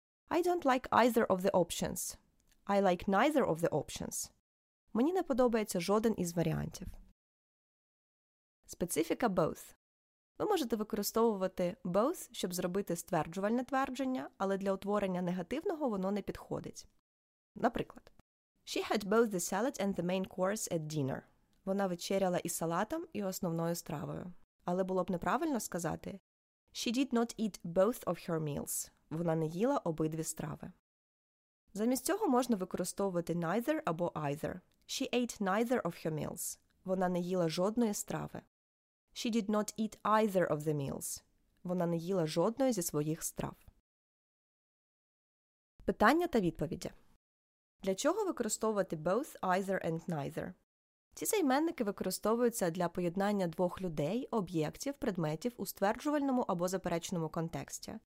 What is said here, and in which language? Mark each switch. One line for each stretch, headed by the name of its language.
English: I don't like either of the options. I like neither of the options.
Ukrainian: Мені не подобається жоден із варіантів. Специфіка both. Ви можете використовувати both, щоб зробити стверджувальне твердження, але для утворення негативного воно не підходить. Наприклад.
English: She had both the salad and the main course at dinner.
Ukrainian: Вона вечеряла і салатом, і основною стравою. Але було б неправильно сказати
English: She did not eat both of her meals.
Ukrainian: Вона не їла обидві страви. Замість цього можна використовувати neither або either.
English: She ate neither of her meals.
Ukrainian: Вона не їла жодної страви.
English: She did not eat either of the meals.
Ukrainian: Вона не їла жодної зі своїх страв. Питання та відповіді. Для чого використовувати both, either and neither? Ці займенники використовуються для поєднання двох людей, об'єктів, предметів у стверджувальному або заперечному контексті.